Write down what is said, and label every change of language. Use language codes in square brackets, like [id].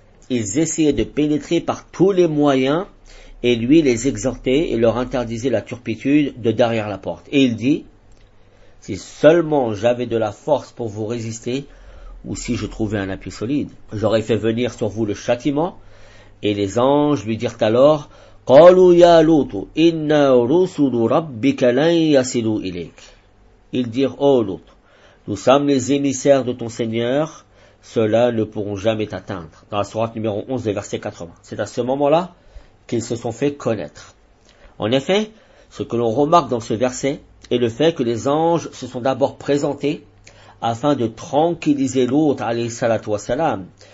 [fr] Ils essayaient de pénétrer par tous les moyens et lui les exhortait et leur interdisait la turpitude de derrière la porte. Et il dit, si seulement j'avais de la force pour vous résister, ou si je trouvais un appui solide, j'aurais fait venir sur vous le châtiment. Et les anges lui dirent alors, [ar] قَالُوا يَا لُوتُ إِنَّا رُسُلُ رَبِّكَ لَنْ يَصِلُوا إِلَيْكَ. [fr] Ils dirent, ô Lot, nous sommes les émissaires de ton Seigneur, ceux-là ne pourront jamais t'atteindre. Dans la sourate numéro 11, verset 80. C'est à ce moment-là qu'ils se sont fait connaître. En effet, Ce que l'on remarque dans ce verset est le fait que les anges se sont d'abord présentés afin de tranquilliser l'autre, alayhi salatu wa salam.